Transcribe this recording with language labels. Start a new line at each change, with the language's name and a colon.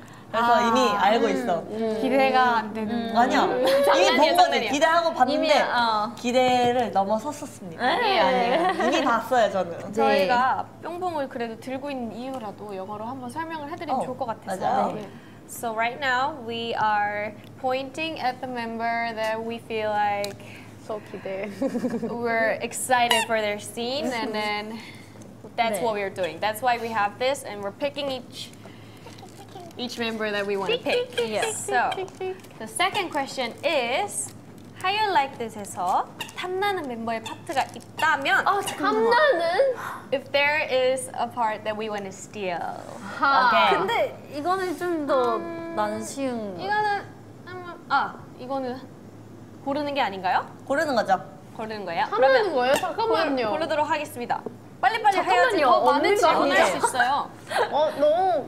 Korean: 그래서 아, 이미 알고 있어. 기대가 안 되는 거 아니야. 이미 본 거지. 기대하고 봤는데 이미, 어. 기대를 넘어섰었습니다. 이미 봤어요, 저는. 네. 저희가 뿅뿅을 그래도 들고 있는 이유라도 영어로 한번 설명을 해드리면 어, 좋을 것 같아서. 맞아요. 네.
English: So right now we are pointing at the member that we feel like
Korean: so 기대.
English: We're excited for their scene and then that's 네. what we're doing. That's why we have this and we're picking each member that we want to pick. Yes. So, the second question is How You Like This에서
Korean: 탐나는 멤버의 파트가 있다면 아, 탐나는?
English: If there is a part that we want to steal. 아, okay.
Korean: 근데 이거는 좀 더 나는 쉬운 이거는 아, 이거는 고르는 게 아닌가요? 고르는 거죠. 고르는 거예요? 탐나는 그러면 거예요? 잠깐만요. 고르도록 하겠습니다. 빨리빨리 해야지 더 많은 질문을 할 수 있어요. 어, 너무